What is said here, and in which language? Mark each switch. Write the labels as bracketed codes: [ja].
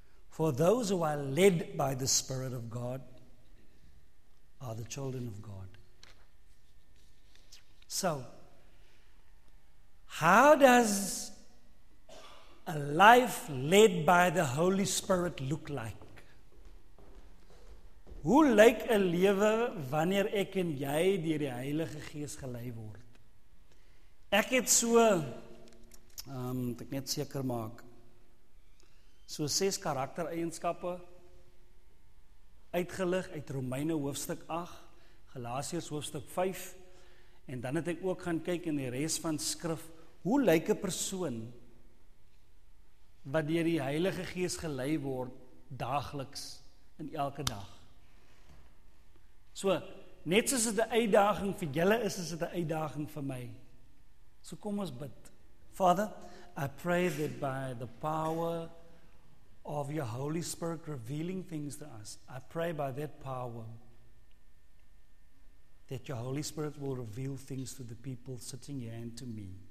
[en] For those who are led by the Spirit of God are the children of God. So, how does a life led by the Holy Spirit look like? [af] Hoe lyk 'n lewe wanneer ek en jy deur die Heilige Gees gelei word? Ek het so, moet ek net seker maak, so 6 karaktereienskappe uitgelig uit Romeine hoofstuk 8, Galasiërs hoofstuk 5, en dan het ek ook gaan kyk in die res van skrif, hoe lyk 'n persoon wat deur die Heilige Gees gelei word daagliks in elke dag? So, net soos dit 'n uitdaging vir julle is, is dit 'n uitdaging vir my. So kom ons bid. [en] Father, I pray that by the power of your Holy Spirit revealing things to us, I pray by that power that your Holy Spirit will reveal things to the people sitting here and to me.